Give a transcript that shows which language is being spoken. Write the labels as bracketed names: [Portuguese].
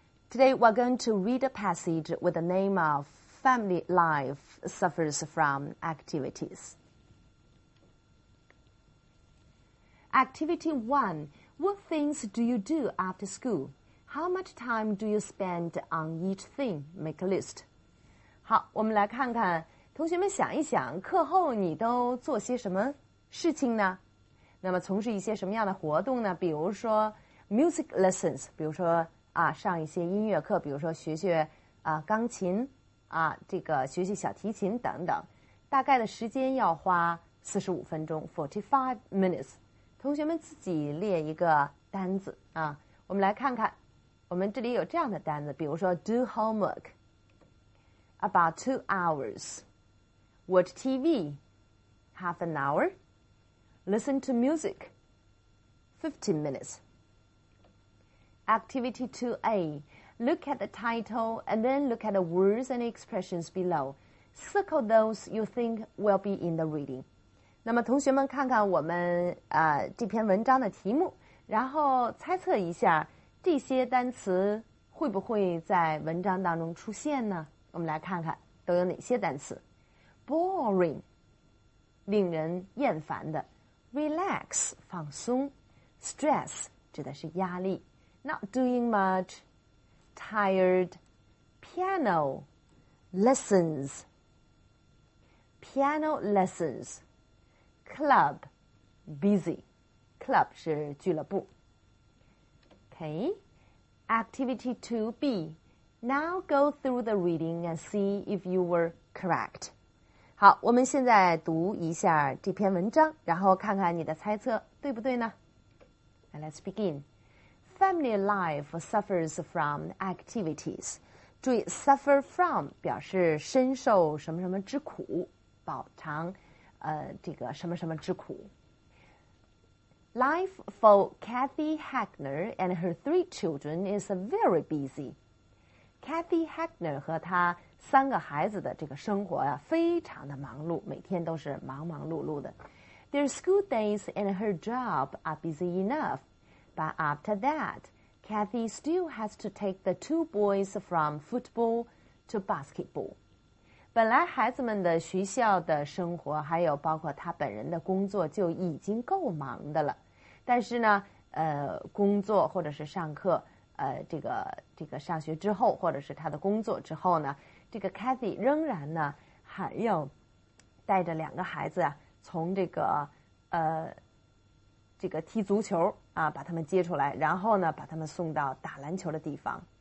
[English] Today, we're going to read a passage with the name of Family Life Suffers from Activities. Activity 1. What things do you do after school? How much time do you spend on each thing? Make a list. [Chinese] 好，我们来看看，同学们想一想，课后你都做些什么事情呢？那么从事一些什么样的活动呢？比如说 music lessons， 比如说啊上一些音乐课，比如说学学啊钢琴啊这个学习小提琴等等，大概的时间要花45分钟 ， [English] 45 minutes。 [Chinese] 同学们自己列一个单子啊，我们来看看，我们这里有这样的单子，比如说 [English] do homework， about 2 hours， watch TV， half an hour。 Listen to music, 15 minutes. Activity 2A. Look at the title and then look at the words and expressions below. Circle those you think will be in the reading. [Chinese] 那么同学们看看我们这篇文章的题目，然后猜测一下这些单词会不会在文章当中出现呢？我们来看看都有哪些单词。 Boring, 令人厌烦的。 Relax, 放松。Stress, 指的是压力。 [English] Not doing much. Tired. Piano. Lessons. Piano lessons. Club. Busy. [Chinese] Club 是俱乐部。Okay. [English] Activity 2B. Now go through the reading and see if you were correct. [Chinese] 好，我们现在读一下这篇文章，然后看看你的猜测对不对呢？ [English] Now, let's begin. Family life suffers from activities. [Chinese] 注意 suffer from 表示深受什么什么之苦，饱尝这个什么什么之苦。 [English] Life for Kathy Hackner and her 3 children is very busy. [Chinese] Kathy Hackner 和她三个孩子的这个生活啊，非常的忙碌，每天都是忙忙碌碌的。 [English] Their school days and her job are busy enough. But after that, Kathy still has to take the 2 boys from football to basketball. [Chinese] 本来孩子们的学校的生活，还有包括他本人的工作就已经够忙的了。但是呢，工作或者是上课，这个上学之后，或者是他的工作之后呢，这个 Kathy 仍然呢还要带着两个孩子啊，从这个踢足球啊，把他们接出来，然后呢把他们送到打篮球的地方。